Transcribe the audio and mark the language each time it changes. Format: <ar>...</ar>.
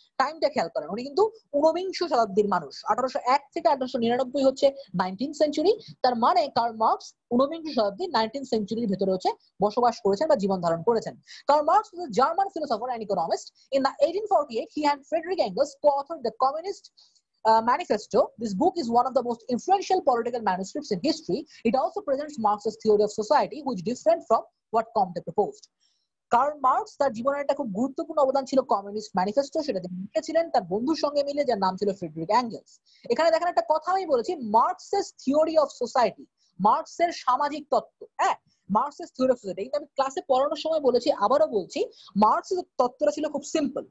<bn>টাইমটা খেয়াল করেন, উনি কিন্তু 19 শতাব্দীর মানুষ, 1801 থেকে 1899 হচ্ছে 19th century, তার মানে কার্ল মার্কস 19 শতাব্দী 19th century ভেতরে হচ্ছে বসবাস করেছেন বা জীবন ধারণ করেছেন।</bn> <en>Karl Marx was a German philosopher and economist. In the 1848 he had Friedrich Engels co-authored the communist manifesto. This book is one of the most influential political manuscripts in history. It also presents Marx's theory of society, which is different from what Comte proposed.</en> <bn>Karl Marx, তার জীবনে একটা খুব গুরুত্বপূর্ণ অবদান ছিল communist manifesto, সেটা তিনি লিখেছিলেন তার বন্ধুর সঙ্গে মিলে, যার নাম ছিল ফ্রেডরিক এঙ্গেলস। এখানে দেখেন একটা কথা আমি বলেছি, মার্কসের থিওরি অফ সোসাইটি, মার্কসের সামাজিক তত্ত্ব, হ্যাঁ, মার্কসের থিওরি অফ সোসাইটি। কিন্তু আমি ক্লাসে পড়ানোর সময় বলেছি, আবারও বলছি, মার্কসের তত্ত্বটা ছিল খুব সিম্পল।</bn>